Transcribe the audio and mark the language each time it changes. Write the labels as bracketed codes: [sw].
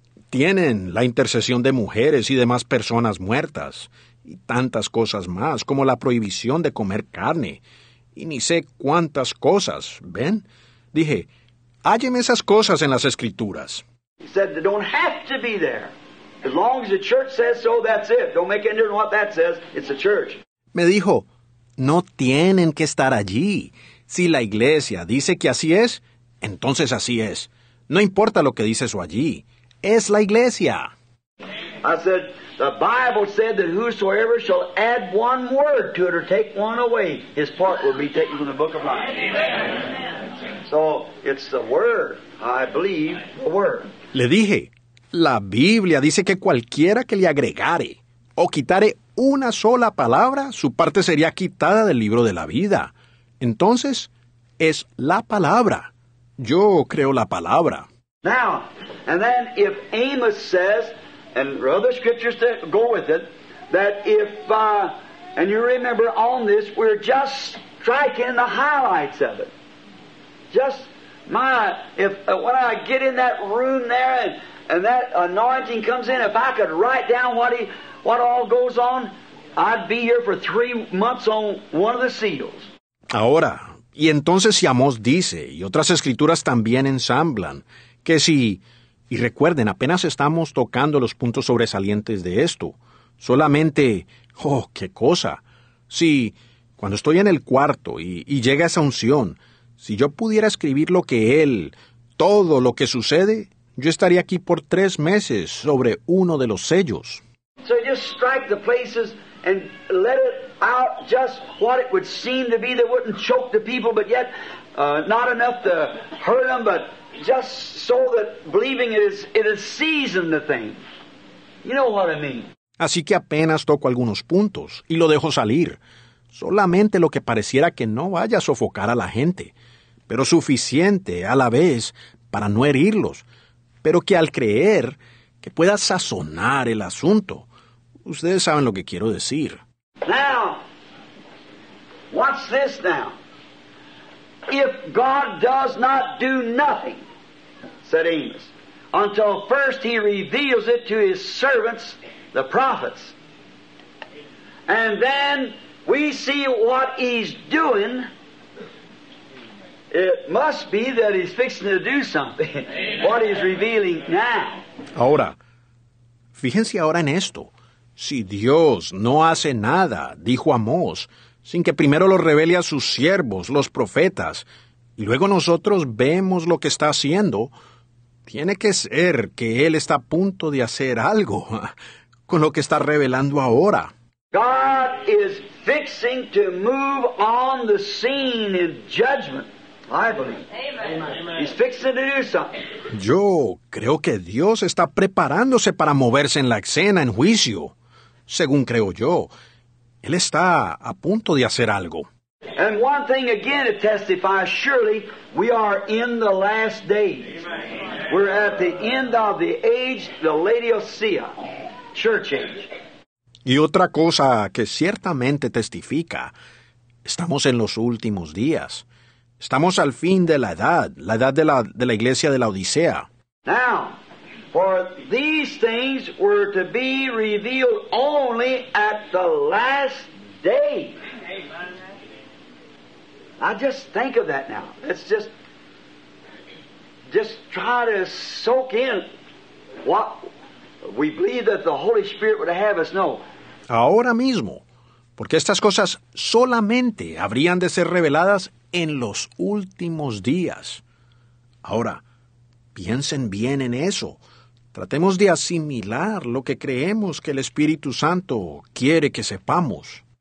[es] Tienen la intercesión de mujeres y demás personas muertas y tantas cosas más, como la prohibición de comer carne. Y ni sé cuántas cosas, ¿ven? Dije, hálleme esas cosas en las escrituras. [en] He said, they don't have to be there. As long as the church says so, that's it. Don't make any difference what that says. It's a church. [es] Me dijo, no tienen que estar allí. Si la iglesia dice que así es, entonces así es. No importa lo que dice eso allí. Es la iglesia. [en] I said, the Bible said that whosoever shall add one word to it or take one away, his part will be taken from the book of life. Amen. So it's the word, I believe, the word. [es] Le dije, la Biblia dice que cualquiera que le agregare o quitare una sola palabra, su parte sería quitada del libro de la vida. Entonces, es la palabra. Yo creo la palabra. [en] Now, and then if Amos says, and other scriptures that go with it, that if, and you remember on this, we're just striking the highlights of it. Just, my, if when I get in that room there and that anointing comes in, if I could write down what all goes on, I'd be here for 3 months on one of the seals. [es] Ahora, y entonces si Amós dice, y otras escrituras también ensamblan, que si, y recuerden, apenas estamos tocando los puntos sobresalientes de esto, solamente, oh, qué cosa, si, cuando estoy en el cuarto y llega esa unción, si yo pudiera escribir lo que él, todo lo que sucede, yo estaría aquí por 3 meses sobre uno de los sellos. [en] So just strike the places and let it out just what it would seem to be that wouldn't choke the people, but yet not enough to hurt them, but just so that believing it is seasoned the thing. You know what I mean. [es] Así que apenas toco algunos puntos y lo dejo salir. Solamente lo que pareciera que no vaya a sofocar a la gente, pero suficiente a la vez para no herirlos, pero que al creer que pueda sazonar el asunto. Ustedes saben lo que quiero decir. [en] Now, watch this now. If God does not do nothing, said Amos, until first he reveals it to his servants, the prophets, and then we see what he's doing, it must be that he's fixing to do something, what he's revealing now. [es] Ahora, fíjense ahora en esto. Si Dios no hace nada, dijo Amós, sin que primero lo revele a sus siervos, los profetas, y luego nosotros vemos lo que está haciendo, tiene que ser que Él está a punto de hacer algo con lo que está revelando ahora. [en] God is fixing to move on the scene in judgment. I believe. Amen. He's fixing to do something. [es] Yo creo que Dios está preparándose para moverse en la escena en juicio. Según creo yo, Él está a punto de hacer algo. [en] And one thing again to testify, surely we are in the last days. Amen. We're at the end of the age, the Laodicea, church age. [es] Y otra cosa que ciertamente testifica, estamos en los últimos días. Estamos al fin de la edad de la iglesia de la Odisea. [en] Now, for these things were to be revealed only at the last day. I just think of that now. It's just try to soak in what we believe that the Holy Spirit would have us know. [es] Ahora mismo, porque estas cosas solamente habrían de ser reveladas en los últimos días. Ahora, piensen bien en eso. Tratemos de asimilar lo que creemos que el Espíritu Santo quiere que sepamos.